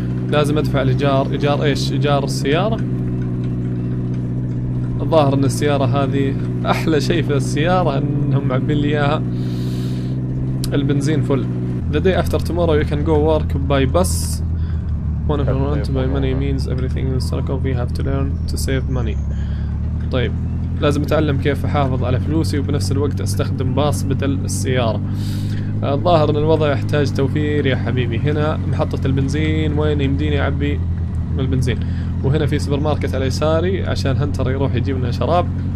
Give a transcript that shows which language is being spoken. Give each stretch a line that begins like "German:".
Arabic: لازم أدفع الإيجار. إيجار إيش؟ إيجار السيارة. الظاهر إن السيارة هذه أحلى شيء في السيارة إنهم معبين لي إياها البنزين فل.
English: The day after tomorrow you can go work by bus. One of the rent by money means everything in Sarakov. We have to learn to save money.
Arabic: طيب لازم اتعلم كيف احافظ على فلوسي وبنفس الوقت استخدم باص بدل السيارة. الظاهر ان الوضع يحتاج توفير يا حبيبي. هنا محطة البنزين، وين يمديني اعبي من البنزين. وهنا في سوبر ماركت على يساري عشان هنتر يروح يجيب لنا شراب.